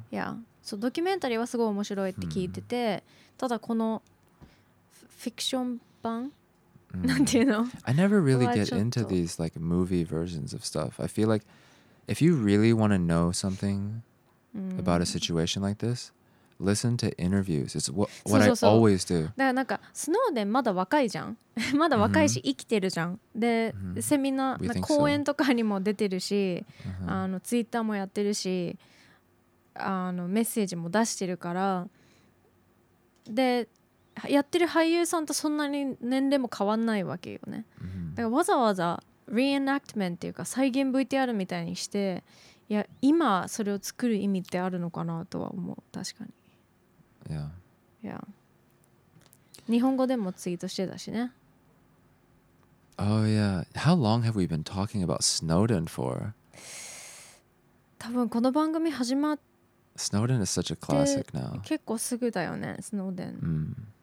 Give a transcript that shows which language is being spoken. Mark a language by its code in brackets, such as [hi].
[en] Yeah. So, documentary was [ja] すごい面白いって聞いてて、ただこの fiction 版?なんていうの? [en] I never really get into these like movie versions of stuff. I feel like if you really want to know something about a situation like this, listen to interviews. It's what I always do. [ja] だからなんかスノーデンまだ若いじゃん。まだ若いし生きてるじゃん。で、セミナー、講演とかにも出てるし、ツイッターもやってるし、メッセージも出してるから、で、やってる俳優さんとそんなに年齢も変わんないわけよね。だからわざわざReenactment っていうか再現 VTR みたいにして、いや今それを作る意味ってあるのかなとは思う。確かに、 [en] yeah. Yeah. [ja] 日本語でもツイートしてたしね。 [en] Oh yeah, how long have we been talking about Snowden for? [ja] 多分この番組始まって [en] Snowden is such a classic now. [ja] 結構すぐだよね、スノーデン。